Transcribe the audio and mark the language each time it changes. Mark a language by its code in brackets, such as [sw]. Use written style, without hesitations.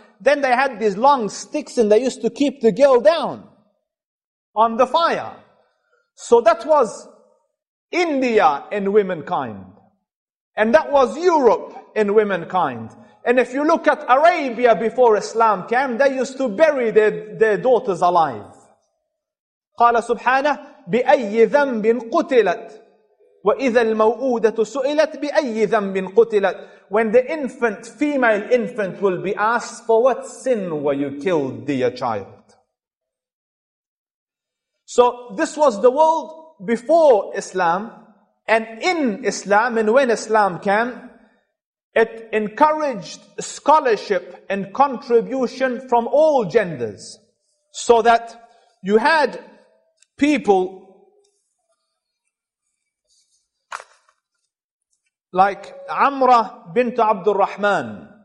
[en] Then they had these long sticks and they used to keep the girl down on the fire. So that was India and womankind. And that was Europe and womankind. And if you look at Arabia before Islam came, they used to bury their daughters alive. [ar] قال سبحانه بأي ذنب قتلت وإذا الموؤودة سئلت بأي ذنب قتلت. [en] When the infant, female infant, will be asked, for what sin were you killed, dear child? So this was the world before Islam, and in Islam, and when Islam came, it encouraged scholarship and contribution from all genders, so that you had people like Amra bint Abdul Rahman.